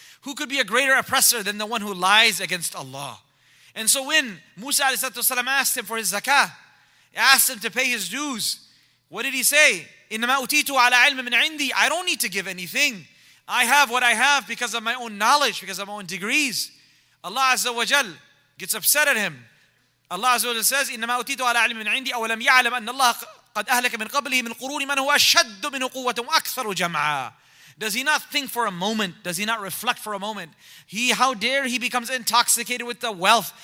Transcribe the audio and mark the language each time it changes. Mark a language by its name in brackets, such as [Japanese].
[English] Who could be a greater oppressor than the one who lies against Allah? And so when Musa ﷺ asked him for his zakah, asked him to pay his dues, what did he say? [Arabic] إِنَّمَا أُتِيتُ عَلَى عِلْمٍ مِنْ عِنْدِي. [English] I don't need to give anything. I have what I have because of my own knowledge, because of my own degrees. Allah Azza wa Jal gets upset at him. Allah Azza wa Jal says, [Arabic] إِنَّمَا أُتِيتُ عَلَى عِلْمٍ مِنْ عِنْدِي أَوَلَمْ يَعْلَمْ أَنَّ اللَّهَ قَدْ أَهْلَكَ مِنْ قَبْلِهِ مِنْ قُرُونِ مَنْ هُوَ أَشَدُّ مِنْهُ قُوَّةً وَأَكْثَرُ جَمْعًا. [English] Does he not think for a moment? Does he not reflect for a moment? How dare he becomes intoxicated with the wealth?